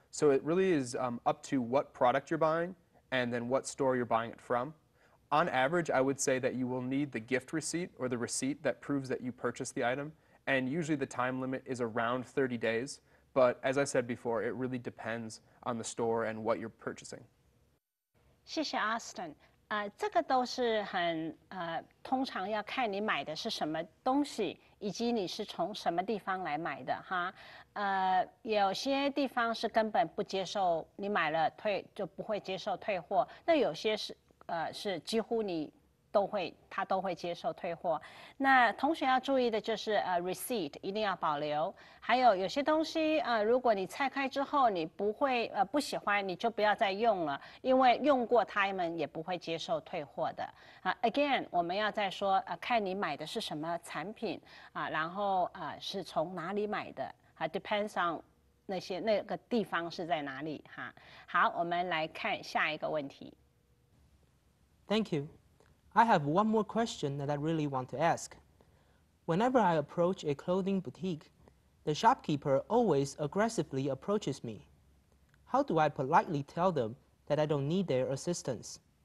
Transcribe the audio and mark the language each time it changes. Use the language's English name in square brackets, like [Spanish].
[English] So it really is up to what product you're buying and then what store you're buying it from. On average, I would say that you will need the gift receipt or the receipt that proves that you purchased the item, and usually the time limit is around 30 days. But as I said before, it really depends on the store and what you're purchasing. [Chinese] 谢谢 Austin。这个都是很通常要看你买的是什么东西，以及你是从什么地方来买的哈。有些地方是根本不接受你买了退就不会接受退货，那有些是几乎你都会他都会接受退货。那同学要注意的就是receipt 一定要保留，还有有些东西如果你拆开之后你不会不喜欢你就不要再用了，因为用过他们也不会接受退货的。 [English] Again, [Chinese] 我们要再说看你买的是什么产品然后是从哪里买的 [English] depends on [Chinese] 那个地方是在哪里哈。好，我们来看下一个问题。 [English] Thank you. I have one more question that I really want to ask. Whenever I approach a clothing boutique, the shopkeeper always aggressively approaches me. How do I politely tell them that I don't need their assistance?